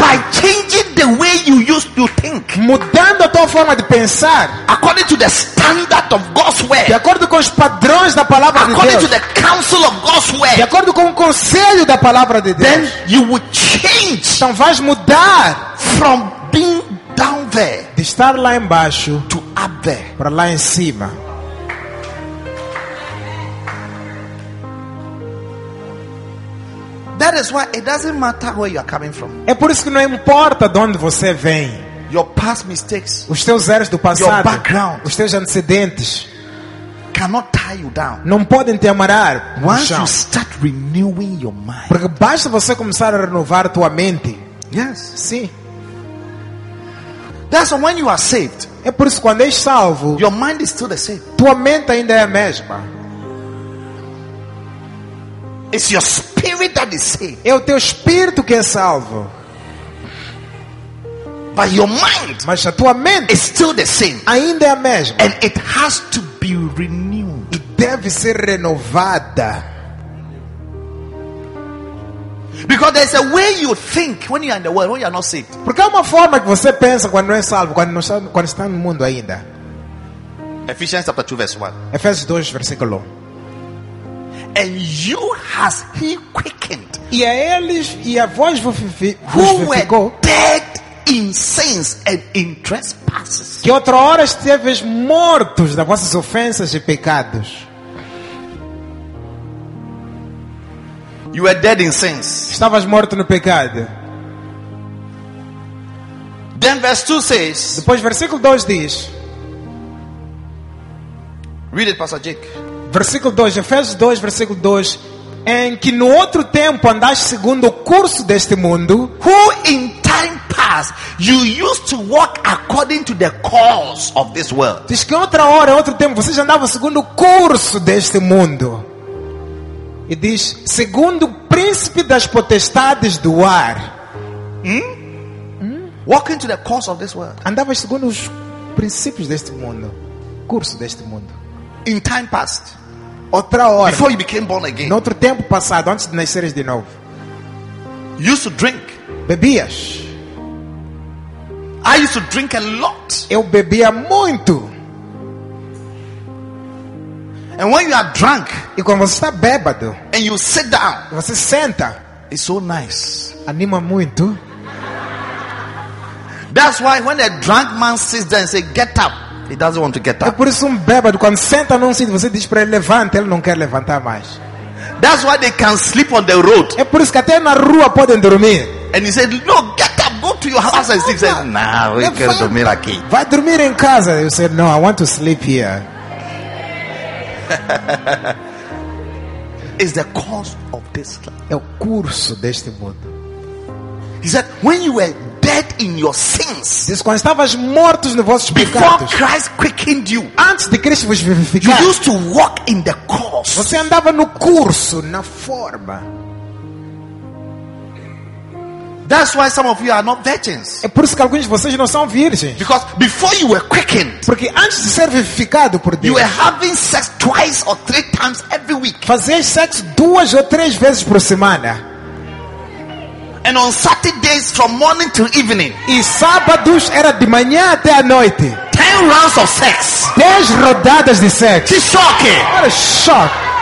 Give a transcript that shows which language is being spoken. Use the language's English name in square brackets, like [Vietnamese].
[English] by changing the way you used to think, [Portuguese] mudando a tua forma de pensar, [English] according to the standard of God's word, [Portuguese] de acordo com os padrões da palavra de Deus, [English] according to the counsel of God's word, [Portuguese] de acordo com o conselho da palavra de Deus, [English] then you would change. [Portuguese] Então vais mudar [English] from being down there, [Portuguese] de estar lá embaixo, [English] to up there, [Portuguese] para lá em cima. [English] That is why it doesn't matter where you are coming from. [Portuguese] É por isso que não importa de onde você vem. [English] Your past mistakes, [Portuguese] os teus erros do passado, [English] your background, [Portuguese] os teus antecedentes, [English] cannot tie you down. [Portuguese] Não podem te amarrar. [English] Once you start renewing your mind, [Portuguese] porque basta você começar a renovar a tua mente. [English] Yes. [Portuguese] Sim. [English] That's when you are saved. [Portuguese] É por isso que quando és salvo, [English] your mind is still the same. [Portuguese] Tua mente ainda é a mesma. [English] It's your spirit that is saved. [Portuguese] É o teu espírito que é salvo. [English] But your mind, [Portuguese] mas a tua mente, [English] is still the same. [Portuguese] Ainda é a mesma. [English] And it has to be renewed. [Portuguese] E deve ser renovada. [English] Because there's a way you think when you are in the world, when you are not saved. [Portuguese] Porque há uma forma que você pensa quando não é salvo, quando está no mundo ainda. [English] Ephesians chapter 2 verse 1. [Portuguese] Efésios 2 versículo 1. [English] And you has he quickened. [Portuguese] E a eles e a vós [English] who were dead in sins and in trespasses. [Portuguese] Que outrora esteves mortos das vossas ofensas e pecados. [English] You were dead in sins. [Portuguese] Estavas morto no pecado. [English] Then verse 2 says. [Portuguese] Depois versículo 2 diz. [English] Read it, Pastor Jake. [Portuguese] Versículo 2, Efésios 2, versículo 2, em que no outro tempo andaste segundo o curso deste mundo, [English] who in time past you used to walk according to the course of this world. [Portuguese] Diz que outra hora, outro tempo, vocês andavam segundo o curso deste mundo. E diz, segundo o príncipe das potestades do ar. [English] Walking to the course of this world. [Portuguese] Andavas segundo os princípios deste mundo, curso deste mundo. [English] In time past, [Portuguese] outra hora, [English] before you became born again, [Portuguese] no outro tempo passado, antes de nasceres de novo, [English] you used to drink, [Portuguese] bebias. [English] I used to drink a lot. [Portuguese] Eu bebia muito. [English] And when you are drunk, [Portuguese] e quando você está bêbado, [English] and you sit down, [Portuguese] você senta, [English] it's so nice. [Portuguese] Anima muito. [English] That's why when a drunk man sits there and say, "Get up." He doesn't want to get up. [Portuguese] É por isso bêbado quando senta num sítio você diz para ele levanta, ele não quer levantar mais. [English] That's why they can sleep on the road. [Portuguese] É por isso que até na rua podem dormir. [English] And he said, "No, get up, go to your house and sleep." Said, "Nah, we can [Portuguese] dormir aqui." Vai dormir em casa. [English] He said, "No, I want to sleep here." It's the course of this life. [Portuguese] É o curso deste mundo. [English] He said, "When you were dead in your sins." [Portuguese] Diz, quando estavas mortos nos vossos pecados. [English] Before Christ quickened you. [Portuguese] Antes de Cristo vos vivificar. [English] You used to walk in the course. [Portuguese] Você andava no curso, na forma. [English] That's why some of you are not virgins. [Portuguese] É por isso que alguns de vocês não são virgens. [English] Because before you were quickened. [Portuguese] Porque antes de ser vivificado por Deus. [English] You were having sex twice or three times every week. [Portuguese] Fazias sexo duas ou três vezes por semana. [English] And on Saturdays from morning till evening. [Portuguese] E sábados era de manhã até à noite. [English] 10 rounds of sex. [Portuguese] 10 rodadas de sexo. Que choque! [English] What a shock!